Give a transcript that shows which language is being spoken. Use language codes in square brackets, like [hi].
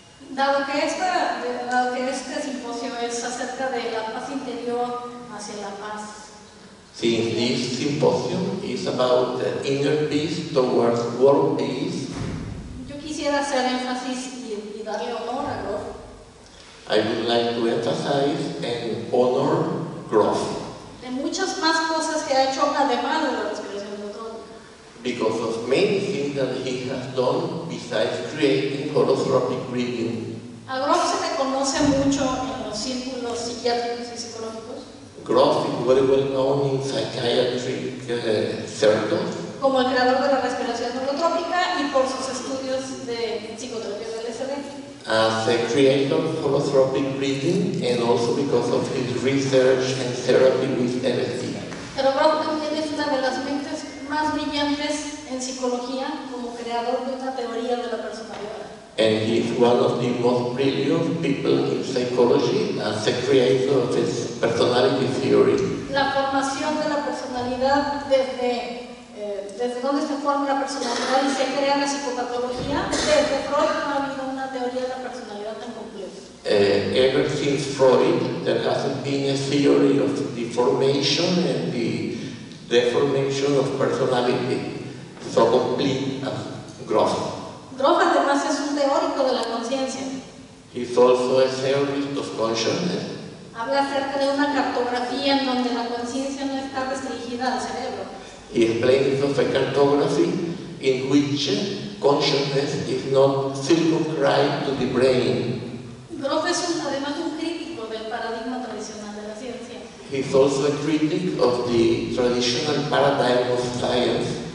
[es] Dado que este simposio es acerca de la paz interior hacia la paz. [en] Since this symposium is about the inner peace towards world peace. [es] Yo quisiera hacer énfasis y darle honor a Groff. [en] I would like to emphasize and honor Groff. [es] De muchas más cosas que ha hecho además de la respiración fotónica. [en] Because of many things that he has done besides creating holotropic breathing. [es] A Groff se le conoce mucho en los círculos psiquiátricos y psicológicos. [en] Groff is very well known in psychiatric circles. [es] Como el creador de la respiración holotrópica y por sus estudios de psicoterapia del LSD. [en] As a creator of holotropic breathing and also because of his research and therapy with LSD. [es] Pero Groff también es una de las mentes más brillantes en psicología como creador de una teoría de la personalidad. [en] And he is one of the most brilliant people in psychology as a creator of his personality theory. [es] La formación de la personalidad desde donde se forma la personalidad y se crea la psicopatología, desde Freud no ha habido una teoría de la personalidad tan completa. [en] Ever since Freud, there hasn't been a theory of the formation and the deformation of personality so complete as Groff. [es] Groff además es un teórico de la conciencia. [en] He's also a theorist of consciousness. [es] Habla acerca de una cartografía en donde la conciencia no está restringida al cerebro. [en] He explains of a cartography in which consciousness is not circumscribed to the brain. [es] Groff es además un crítico del paradigma tradicional de la ciencia. [en] He's also a critic of the traditional paradigm of science.